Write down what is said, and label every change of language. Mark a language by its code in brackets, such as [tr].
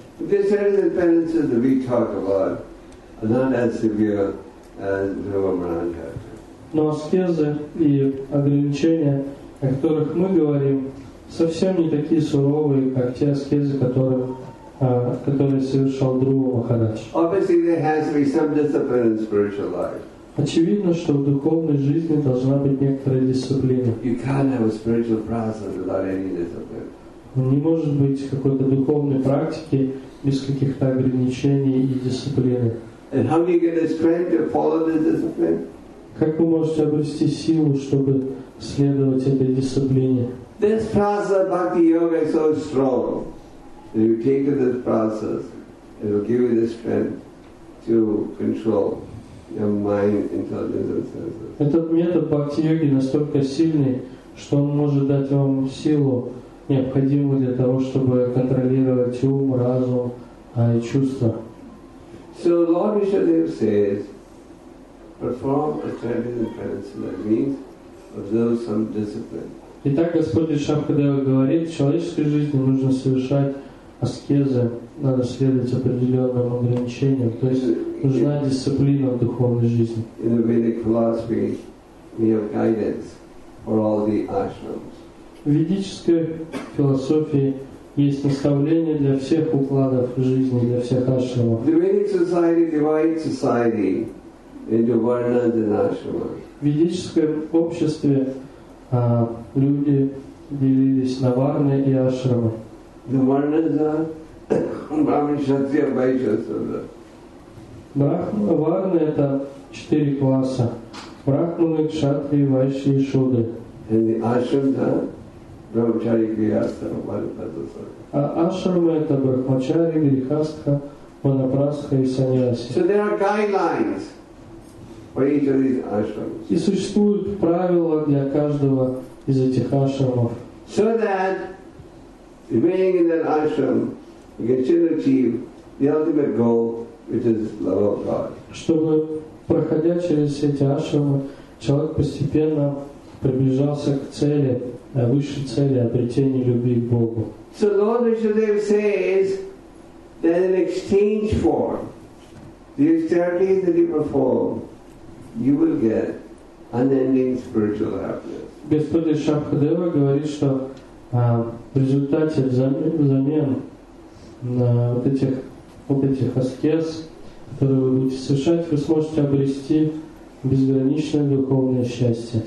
[en] The austerities and penances that we talk about are not as severe as Друва Махараджа. [ru] Но аскезы и ограничения, о которых мы говорим, совсем не такие суровые, как те аскезы, которые совершал Друва Махарадж. [en] Obviously, there has to be some discipline in spiritual life. [ru] Очевидно, что в духовной жизни должна быть некоторая дисциплина. [en] You can't have a spiritual process without any discipline. [ru] Не может быть какой-то духовной практики без каких-то ограничений и дисциплины. [en] And how do you get the strength to follow this discipline? [ru] Как вы можете обрести силу, чтобы следовать этой дисциплине? [en] This process of bhakti yoga is so strong. If you take this process, it will give you the strength to control your mind, intelligence, and senses. [ru] Этот метод бхакти-йоги настолько сильный, что он может дать вам силу, необходимую для того, чтобы контролировать ум, разум, и чувства. [en] So Lord Vishwadev says, perform austerities and penances. That means observe some discipline. [ru] Итак, Господь Шахадева говорит, в человеческой жизни нужно совершать аскезы, надо следовать определенным ограничениям, то есть нужна дисциплина в духовной жизни. [en] In the Vedic philosophy, we have guidance for all the ashrams. [ru] В ведической философии есть наставление для всех укладов жизни, для всех ашрама. [en] The Vedic society, divide society into varnas and ashramas. [ru] В ведическом обществе люди делились на варны и ашрамы. [en] The varnas are Brahmin, Kshatriya, Vaishya, Sudra. [ru] Брахма, варны — это четыре класса. Брахманы, кшатрии, вайши и шуды. А ашрама — это брахмачари, грихастха, ванапрастха и саньяси. [en] So there are guidelines for each of these ashrams. [ru] И существуют правила для каждого из этих ашрамов. [en] So that remaining in that ashram, you can achieve the ultimate goal, which is love of God. [ru] Чтобы, проходя через эти ашрамы, человек постепенно приближался к цели, высшей цели, обретения любви к Богу. [en] So Lord Vishnudev says that in exchange for the austerities that you perform, you will get unending spiritual happiness. [ru] Господь Шабхадева говорит, что в результате взамен вот этих аскез, которые вы будете совершать, вы сможете обрести безграничное духовное счастье.